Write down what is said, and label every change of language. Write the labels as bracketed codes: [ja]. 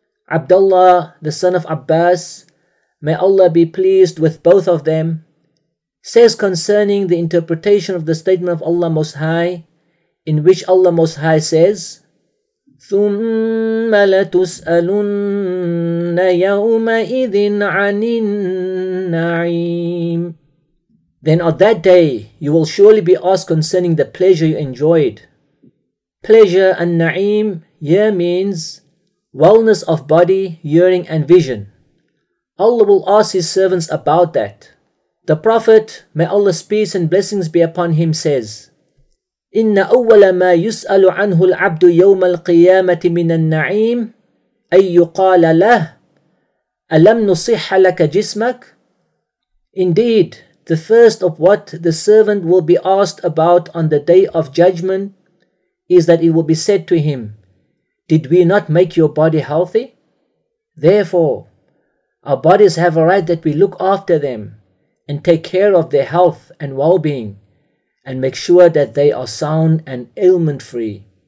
[en] Abdullah, the son of Abbas, may Allah be pleased with both of them, says concerning the interpretation of the statement of Allah Most High, in which Allah Most High says, [ar] ثُمَّ لَتُسْأَلُنَّ يَوْمَئِذٍ عَنِ النَّعِيمِ. [en] Then on that day, you will surely be asked concerning the pleasure you enjoyed. Pleasure and na'im here means wellness of body, hearing and vision. Allah will ask his servants about that. The Prophet, may Allah's peace and blessings be upon him, says, [ar] إِنَّ أَوَّلَ مَا يُسْأَلُ عَنْهُ الْعَبْدُ يَوْمَ الْقِيَامَةِ مِنَ النَّعِيمِ أَيُّ قَالَ لَهُ أَلَمْ نُصِحَ لَكَ جِسْمَكَ. [en] Indeed, the first of what the servant will be asked about on the day of judgment is that it will be said to him, did we not make your body healthy? Therefore, our bodies have a right that we look after them and take care of their health and well-being, and make sure that they are sound and ailment-free.